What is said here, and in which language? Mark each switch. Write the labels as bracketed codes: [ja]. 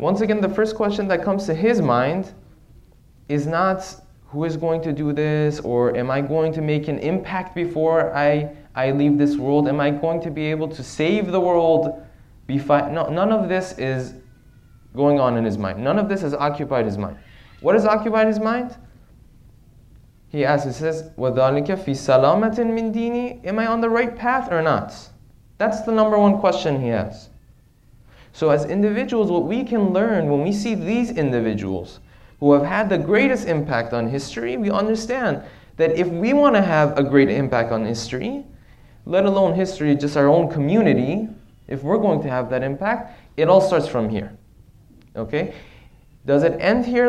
[en] Once again, the first question that comes to his mind is not, who is going to do this? Or am I going to make an impact before I leave this world? Am I going to be able to save the world? None of this is going on in his mind. None of this has occupied his mind. What has occupied his mind? He asks, he says, [ar] وَذَلِكَ فِي سَلَامَةٍ مِّن دِينِي. [en] Am I on the right path or not? That's the number one question he has. So as individuals, what we can learn when we see these individuals who have had the greatest impact on history, we understand that if we want to have a great impact on history, let alone history, just our own community, if we're going to have that impact, it all starts from here. Okay? Does it end here?